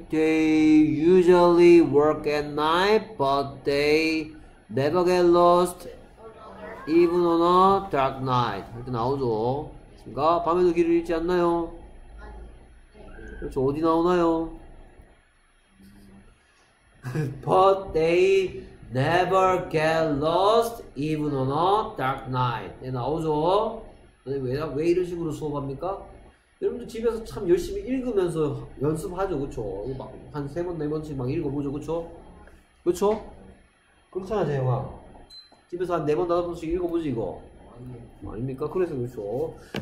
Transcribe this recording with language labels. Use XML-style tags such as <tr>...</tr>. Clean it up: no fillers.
<en>They usually work at night, but they never get lost even on a dark night.</en> <ko>이렇게 나오죠. 그러니까 밤에도 길을 잃지 않나요? 그렇죠. 어디 나오나요?</ko> <en>But they never get lost even on a dark night.</en> <ko>이렇게 나오죠. 왜 이런 식으로 수업합니까? 여러분들 집에서 참 열심히 읽으면서 연습하죠, 그쵸? 막, 한세 번, 네 번씩 막 읽어보죠, 그쵸? 그쵸? 그렇잖아, 재영아. 집에서 한네 번, 다섯 번씩 읽어보지, 이거. 아닙니까? 그래서 그쵸.</ko>